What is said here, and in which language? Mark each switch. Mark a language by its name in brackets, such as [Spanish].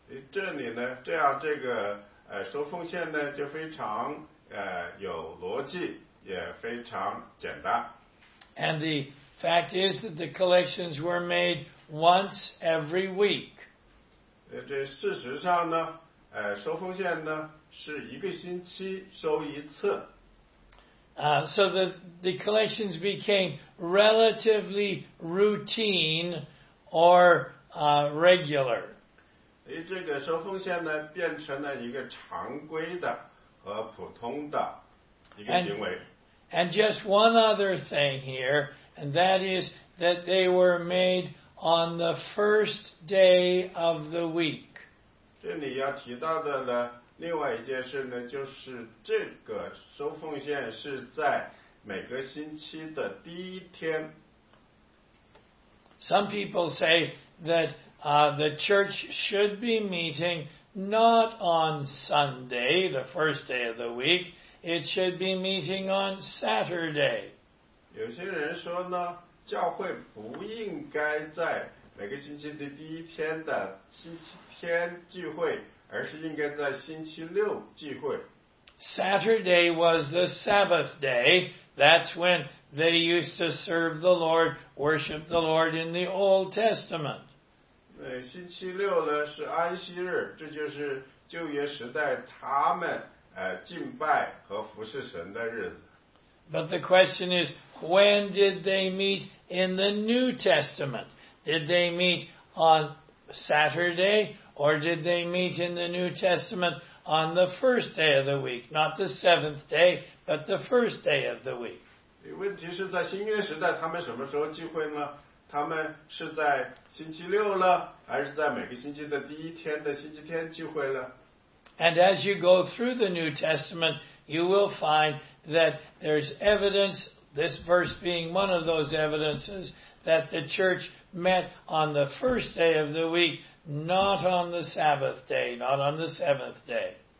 [Chinese] 这里呢，这样这个收奉献呢就非常有逻辑，也非常简单。 [English] And the fact is that the collections were made once every week. [Chinese] 这事实上呢，收奉献呢是一个星期收一次。 [English] So the collections became relatively routine or regular. [Chinese] 这个收奉献呢变成了一个常规的和普通的一个行为。 [English] And just one other thing here, and that is that they were made on the first day of the week. [Chinese] 这里要提到的呢另外一件事呢，就是这个收奉献是在每个星期的第一天。 [English] Some people say that the church should be meeting not on Sunday, the first day of the week. It should be meeting on Saturday. [Chinese] 有些人说呢，教会不应该在每个星期的第一天的星期天聚会，而是应该在星期六聚会。 [English] Saturday was the Sabbath day. That's when they used to serve the Lord, worship the Lord in the Old Testament. [Chinese] 星期六呢是安息日，这就是旧约时代他们敬拜和服侍神的日子。 [English] But the question is, when did they meet in the New Testament? Did they meet on Saturday, or did they meet in the New Testament on the first day of the week? Not the seventh day, but the first day of the week. [Chinese] 问题是在新约时代他们什么时候聚会呢？他们是在星期六了，还是在每个星期的第一天的星期天聚会了？ [English] And as you go through the New Testament, you will find that there's evidence, this verse being one of those evidences, that the church met on the first day of the week, not on the Sabbath day, not on the seventh day.